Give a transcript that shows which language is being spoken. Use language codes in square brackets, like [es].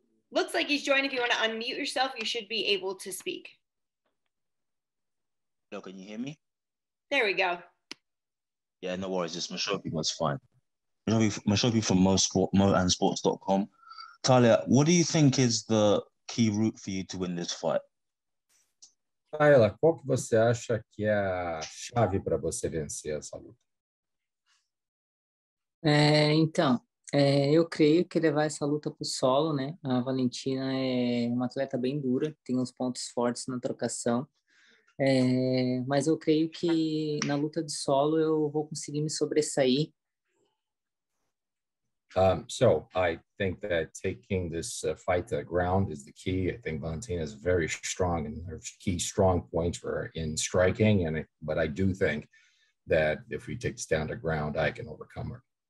[en] Looks like he's joined. If you want to unmute yourself, you should be able to speak. Yo, can you hear me? There we go. Yeah, no worries. It's Mosok. It was fine. Mosok from Mosport, moandsports.com. Taila, what do you think is the key route for you to win this fight? [pt] Taila, qual que você acha que é a chave para você vencer essa luta? Eu creio que levar essa luta para o solo, né? A Valentina é uma atleta bem dura, tem uns pontos fortes na trocação. Mas eu creio que na luta de solo eu vou conseguir me sobressair. [en] So, I think that taking this fight to the ground is the key. I think Valentina is very strong, and her key strong points were in striking. But I do think that if we take this down to ground, I can overcome her.